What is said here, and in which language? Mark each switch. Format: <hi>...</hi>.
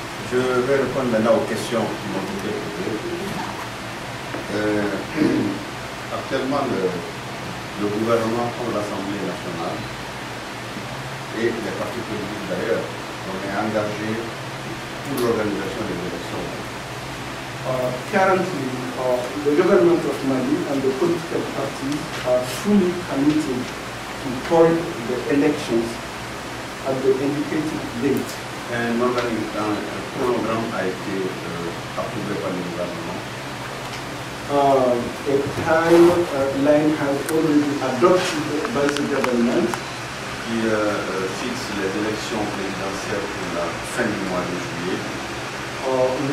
<fr>Je vais répondre maintenant aux questions qui m'ont été posées. Actuellement, le gouvernement pour l'Assemblée nationale et les partis politiques d'ailleurs ont été engagés pour l'organisation des élections.</fr> <en>Currently, the government of Mali and the political parties are fully committed to call the elections at the indicated date. And normally,</en> <fr>un program a été approuvé par le gouvernement.</fr> <en>A timeline has already been adopted by the government.</en> <fr>Qui fixe les élections présidentielles pour la fin du mois de juillet.</fr>